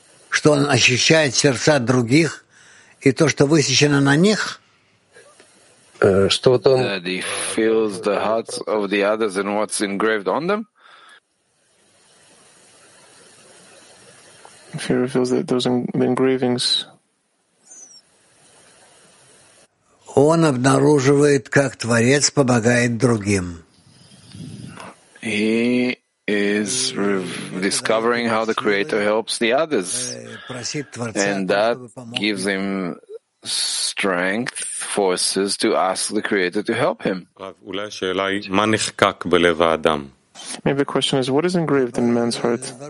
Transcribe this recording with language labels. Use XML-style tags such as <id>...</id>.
<ru>Что он ощущает сердца других и то, что высечено на них? Что вот он...</ru> <en>That he feels the hearts of the others and what's engraved on them? If he reveals that those engravings...</en> <ru>Он обнаруживает, как Творец помогает другим.</ru> <en>He is discovering how the Creator helps the others. And that gives him strength, forces to ask the Creator to help him. Maybe the question is, what is engraved in man's heart?</en>